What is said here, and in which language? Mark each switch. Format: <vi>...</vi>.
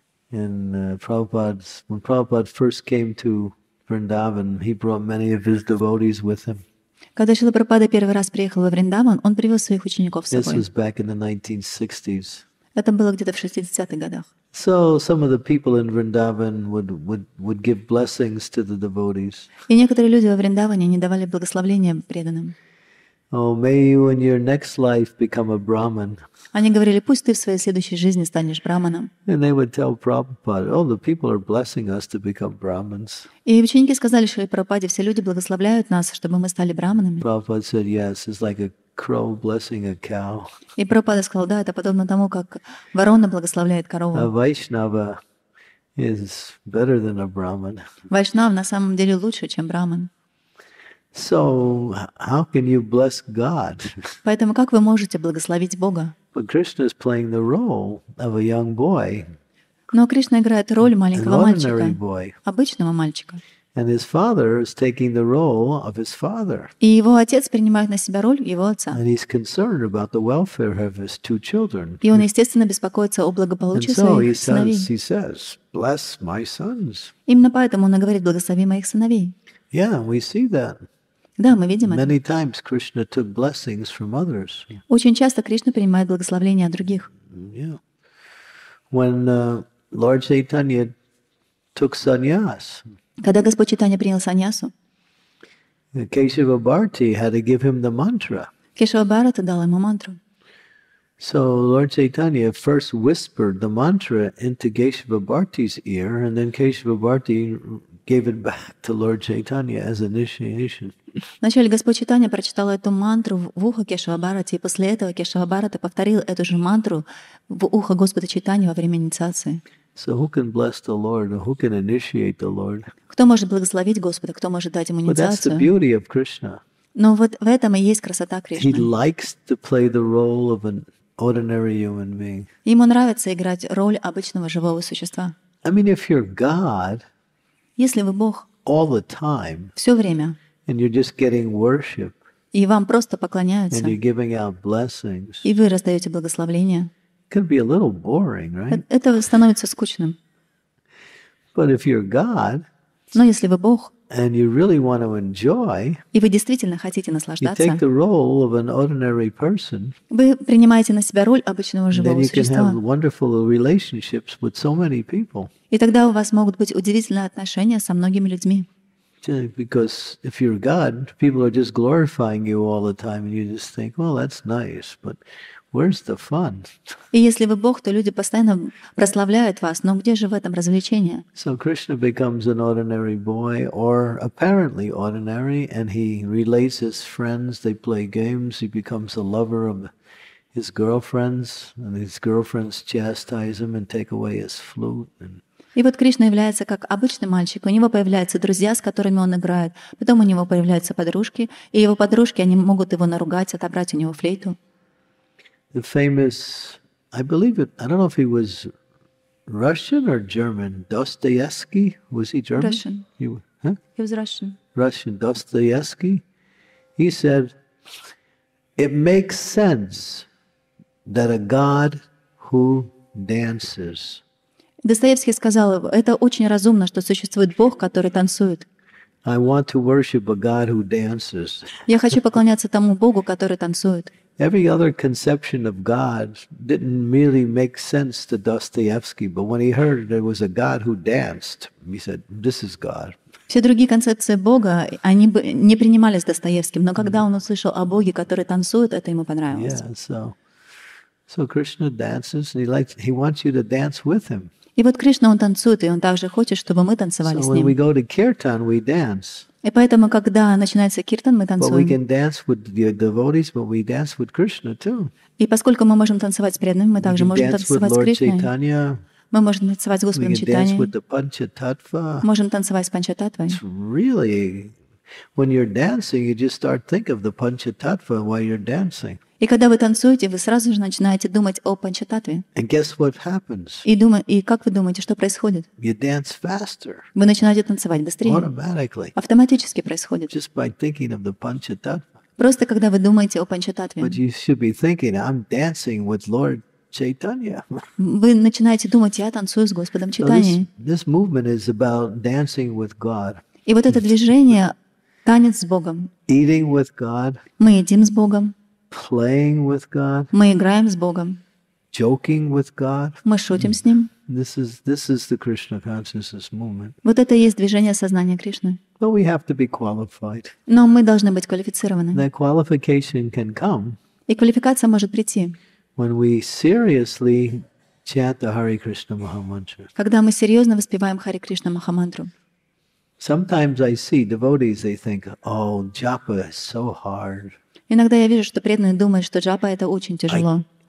<en>When Prabhupada first came to Vrindavan, he brought many of his devotees with him.</en> <ru>Когда Шрила Прабхупада первый раз приехал во Вриндаван, он привел своих учеников с собой.</ru> <en>This was back in the 1960s.</en> <ru>Это было где-то в 60-х годах.</ru> <en>So some of the people in Vrindavan would give blessings to the devotees.</en> <ru>И некоторые люди во Вриндаване не давали благословения преданным.</ru> <en>Oh, may you in your next life become a Brahman.</en> <ru>Они говорили: пусть ты в своей следующей жизни станешь Брахманом.</ru> <en>And they would tell Prabhupada, oh, the people are blessing us to become Brahmins.</en> <ru>И ученики сказали Шриле Прабхупаде: все люди благословляют нас, чтобы мы стали Брахманами.</ru> <en>Prabhupada said, yes, it's like a crow blessing a cow.</en> <ru>И Прабхупада сказал: да, это подобно тому, как ворона благословляет корову.</ru> <en>A Vaishnava is better than a Brahman.</en> <ru>Вайшнав на самом деле лучше, чем Брахман.</ru> <en>So how can you bless God?</en> <ru>Поэтому как вы можете благословить Бога?</ru> <en>But Krishna is playing the role of a young boy.</en> <ru>Но Кришна играет роль маленького мальчика.</ru> <en>An ordinary boy.</en> <ru>Обычного мальчика.</ru> <en>And his father is taking the role of his father.</en> <ru>И его отец принимает на себя роль его отца.</ru> <en>And he's concerned about the welfare of his two children.</en> <ru>И он, естественно, беспокоится о благополучии своих сыновей.</ru> <en>And so he says, bless my sons.</en> <ru>Именно поэтому он говорит: благослови моих сыновей.</ru> <en>Yeah, we see that.</en> <ru>Да, мы видим это.</ru> <en>Many times Krishna took blessings from others.</en> <ru>Очень часто Кришна принимает благословения от других.</ru> <en>Yeah. When Lord Chaitanya took sannyas.</en> <ru>Когда Господь Чайтанья принял саньясу.</ru> <en>Кешава Бхарати had to give him the mantra.</en> <ru>Кешава Бхарати дал ему мантру.</ru> <en>So Lord Chaitanya first whispered the mantra into Kesava Bharti's ear, and then Kesava Bharti gave it back to Lord Chaitanya as initiation.</en> <ru>Вначале Господь Чайтанья прочитал эту мантру в ухо Кешава Бхарати, и после этого Кешава Бхарати повторил эту же мантру в ухо Господа Чайтанья во время инициации.</ru> <en>So who can bless the Lord? Who can initiate the Lord?</en> <ru>Кто может благословить Господа? Кто может дать ему инициацию?</ru> <en>But that's the beauty of Krishna.</en> <ru>Но вот в этом и есть красота Кришны.</ru> <en>He likes to play the role of an ordinary human being.</en> <ru>Ему нравится играть роль обычного живого существа.</ru> <en>I mean, if you're God,</en> <ru>если вы Бог,</ru> <en>all the time,</en> <ru>все время,</ru> <en>and you're just getting worship,</en> <ru>и вам просто поклоняются,</ru> <en>and you're giving out blessings,</en> <ru>и вы раздаете благословения,</ru> <en>it could be a little boring, right?</en> <ru>Это становится скучным.</ru> <en>But if you're God,</en> <ru>но если вы Бог,</ru> <en>and you really want to enjoy,</en> <ru>и вы действительно хотите наслаждаться,</ru> <en>you take the role of an ordinary person,</en> <ru>вы принимаете на себя роль обычного живого</ru> <en>then you</en> <ru>существа,</ru> <en>can have wonderful relationships with so many people.</en> <ru>И тогда у вас могут быть удивительные отношения со многими людьми.</ru> <en>Because if you're God, people are just glorifying you all the time, and you just think, well, that's nice, but where's the fun?</en> <ru>И если вы Бог, то люди постоянно прославляют вас, но где же в этом развлечение?</ru> <en>So Krishna becomes an ordinary boy, or apparently ordinary, and he relates his friends, they play games, he becomes a lover of his girlfriends, and his girlfriends chastise him and take away his flute. And</en> <ru>и вот Кришна является как обычный мальчик. У него появляются друзья, с которыми он играет. Потом у него появляются подружки. И его подружки, они могут его наругать, отобрать у него флейту.</ru> <en>The famous, I believe it, I don't know if he was Russian or German, Dostoevsky, was he German? Russian. He was Russian. Russian, Dostoevsky. He said, it makes sense that a God who dances.</en> <ru>Достоевский сказал, это очень разумно, что существует Бог, который танцует.</ru> <en>I want to worship a God who dances.</en> <ru>Я хочу поклоняться тому Богу, который танцует.</ru> <en>Every other conception of God didn't really make sense to Dostoevsky, but when he heard there was a God who danced, he said, this is God.</en> <ru>Все другие концепции Бога, они бы не принимались Достоевским, но когда он услышал о Боге, который танцует, это ему понравилось.</ru> <en>Yeah, so Krishna dances, and he wants you to dance with him.</en> <ru>И вот Кришна, он танцует, и он также хочет, чтобы мы танцевали</ru> <en>so</en> <ru>с ним.</ru> <en>We go to kirtan, we dance.</en> <ru>И поэтому, когда начинается киртан, мы танцуем.</ru> <en>But we can dance with the devotees, but we dance with Krishna too.</en> <ru>И поскольку мы можем танцевать с преданными, мы также можем танцевать с Кришной. Мы можем танцевать с Господом Чайтаньей.</ru> <en>We can dance with the Панчататва.</en> <ru>Можем танцевать с Панчататвой.</ru> <en>Really, when you're dancing, you just start thinking of the Панчататва while you're dancing.</en> <ru>И когда вы танцуете, вы сразу же начинаете думать о Панчататве.</ru> <en>And guess what happens?</en> <ru>И как вы думаете, что происходит?</ru> <en>You dance faster.</en> <ru>Вы начинаете танцевать быстрее.</ru> <en>Automatically.</en> <ru>Автоматически происходит.</ru> <en>Just by thinking of the Панчататва.</en> <ru>Просто когда вы думаете о Панчататве.</ru> <en>But you should be thinking, I'm dancing with Lord Chaitanya.</en> <ru>Вы начинаете думать, я танцую с Господом Чайтаньей.</ru> <en>So this movement is about dancing with God.</en> <ru>И вот это движение – танец с Богом.</ru> <en>Eating with God.</en> <ru>Мы едим с Богом.</ru> <en>Playing with God.</en> <ru>Мы играем с Богом.</ru> <en>Joking with God.</en> <ru>Мы шутим с ним.</ru> <en>This is the Krishna consciousness movement.</en> <ru>Вот это и есть движение сознания Кришны.</ru> <en>But we have to be qualified.</en> <ru>Но мы должны быть квалифицированы.</ru> <en>The qualification can come.</en> <ru>И квалификация может прийти.</ru> <en>When we seriously chant the Hare Krishna Mahamantra.</en> <ru>Когда мы серьезно воспеваем Хари Кришна Махамантру.</ru> <en>Sometimes I see devotees, they think, oh, japa is so hard.</en> <ru>Иногда я вижу, что преданные думают, что джапа — это очень тяжело.</ru>